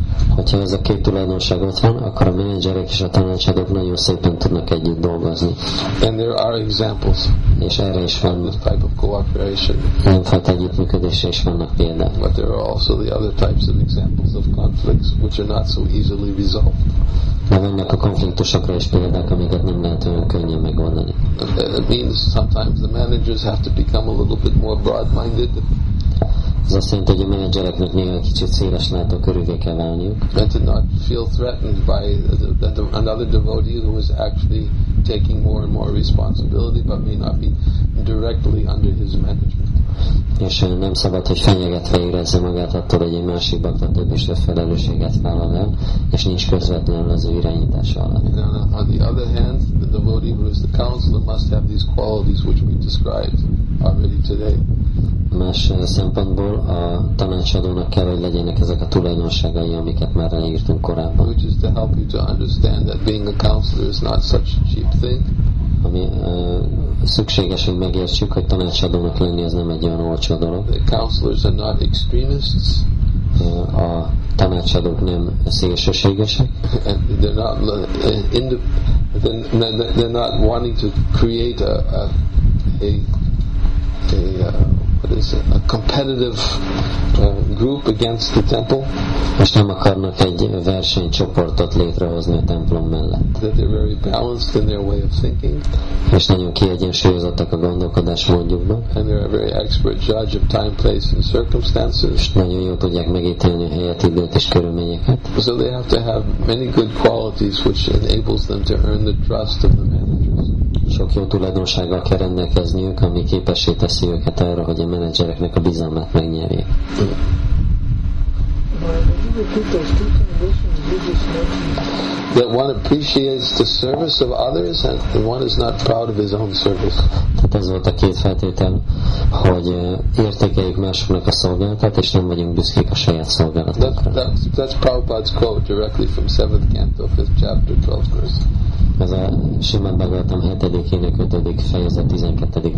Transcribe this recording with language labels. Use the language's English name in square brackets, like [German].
[Hungarian] Hogyha ez a két tulajdonság ott van, akkor a menedzserek és a tanácsadók nagyon szépen tudnak együtt dolgozni. [English] And there are examples. [Hungarian] És erre is van. [English] This type of cooperation. [Hungarian] Ilyenfajta együttműködésre is vannak példák. [English] But there are also the other types of examples of conflicts, which are not so easily resolved. [Hungarian] De vannak a konfliktusokra is példák, amiket nem lehet olyan könnyen megoldani. [English] It means sometimes the managers have to become a little bit more broad-minded. [Hungarian] Ez azt jelenti, hogy a menedzsereknek néha kicsit széles látókörűvé kell válniuk. [English] And to not feel threatened by another devotee who is actually taking more and more responsibility but may not be directly under his management. [Hungarian] És nem szabad, hogy fenyegetve érezze magát attól, hogy egy másik bakta több is több felelősséget vállal el, és nincs közvetlenül az ő irányítása alatt. [English] On the other hand, the devotee who is the counselor must have these qualities which we described already today. [Hungarian] Más szempontból a tanácsadónak kell, hogy legyenek ezek a tulajdonságai, amiket már leírtunk korábban. [English] Which is to help you to understand that being a counselor is not such a cheap thing. [Hungarian] Ami szükséges, hogy megértsük, hogy tanácsadónak lenni ez nem egy olyan olcsó dolog. [English] The counselors are not extremists. [Hungarian] A tanácsadók nem szélsőségesek. [English] They're not wanting to create a competitive group against the temple. [Hungarian] És nem akarnak egy versenycsoportot létrehozni a templom mellett. [English] That they're very balanced in their way of thinking. [Hungarian] És nagyon kiegyensúlyozottak a gondolkodásmódjukban. [English] And they're a very expert judge of time, place and circumstances. [Hungarian] És nagyon jól tudják megítélni a helyet, időt és körülményeket. [English] So they have to have many good qualities which enables them to earn the trust of the managers. [Hungarian] Sok jó tulajdonsággal kell rendelkezniük, ami képessé teszi őket arra, hogy a menedzsereknek a bizalmát megnyerjék. [English] That one appreciates the service of others and one is not proud of his own service. [Hungarian] Tehát ez volt a két feltétel, hogy értékeljük másoknak a szolgálatát, és nem vagyunk büszkék a saját szolgálatunkra. [English] That's Prabhupada's quote directly from 7th canto, 5th chapter, 12th verse. [Hungarian] Ez a Simán Bagatam 7. ének 5. fejezet 12.